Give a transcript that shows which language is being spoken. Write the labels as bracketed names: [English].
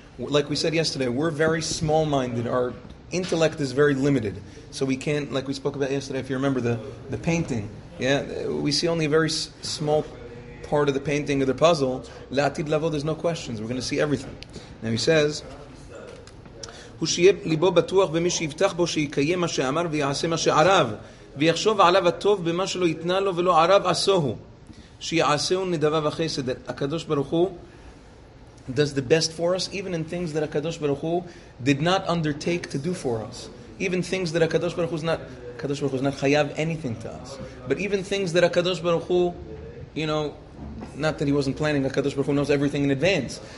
[English] Like we said yesterday, we're very small-minded. Our intellect is very limited. So we can't, like we spoke about yesterday, if you remember the painting. Yeah, we see only a very small part of the painting or the puzzle. La'atid lavo, there's no questions. We're going to see everything. Now he says... [Hebrew] הוא שיהיה ליבו בטוח במי שיבטח בו שיקיים מה שאמר ויעשה מה שערב ויחשוב עליו הטוב במה שלא יתנה לו ולא ערב עשוהו שיעשהו נדבה וחסד. [English] הקדוש ברוך הוא does the best for us even in things that הקדוש ברוך הוא did not undertake to do for us. Even things that הקדוש ברוך הוא is not חייב anything to us. But even things that הקדוש ברוך הוא, you know, not that he wasn't planning, הקדוש ברוך הוא knows everything in advance.